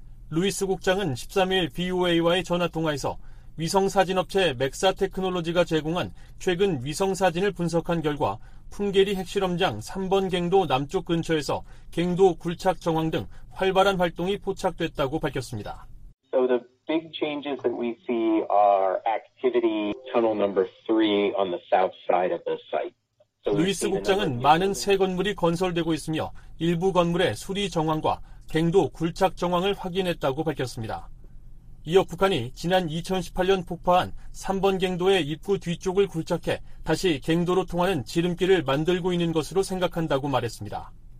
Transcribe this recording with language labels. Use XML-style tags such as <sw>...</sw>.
<ko>루이스 국장은 13일 BOA와의 전화통화에서 위성사진업체 맥사 테크놀로지가 제공한 최근 위성사진을 분석한 결과 풍계리 핵실험장 3번 갱도 남쪽 근처에서 갱도 굴착 정황 등 활발한 활동이 포착됐다고 밝혔습니다.</ko> <en>So the big changes that we see are activity tunnel number 3 on the south side of the site.</en> <ko>루이스 국장은 많은 새 건물이 건설되고 있으며 일부 건물의 수리 정황과 갱도 굴착 정황을 확인했다고 밝혔습니다. 이어 북한이 지난 2018년 폭파한 3번 갱도의 입구 뒤쪽을 굴착해 다시 갱도로 통하는 지름길을 만들고 있는 것으로 생각한다고 말했습니다.</ko>